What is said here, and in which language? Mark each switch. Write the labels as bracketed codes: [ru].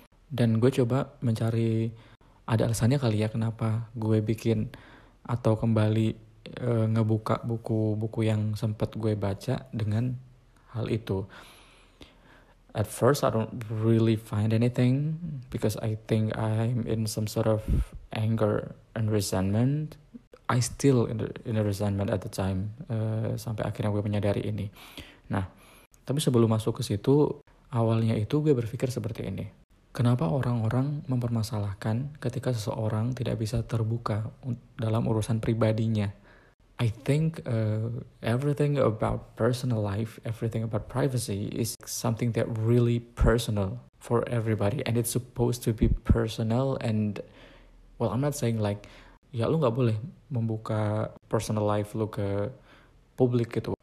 [id] Dan gue coba mencari ada alasannya kali ya kenapa gue bikin atau kembali ngebuka buku-buku yang sempat gue baca dengan hal itu. [en] At first I don't really find anything because I think I'm in some sort of anger and resentment. I still in a resentment at the time, [id] sampai akhirnya gue menyadari ini. Nah, tapi sebelum masuk ke situ, awalnya itu gue berpikir seperti ini. Kenapa orang-orang mempermasalahkan ketika seseorang tidak bisa terbuka dalam urusan pribadinya? [en] I think everything about personal life, everything about privacy is something that really personal for everybody. And it's supposed to be personal and, well, I'm not saying like, [id] ya lu gak boleh membuka personal life lu ke publik gitu.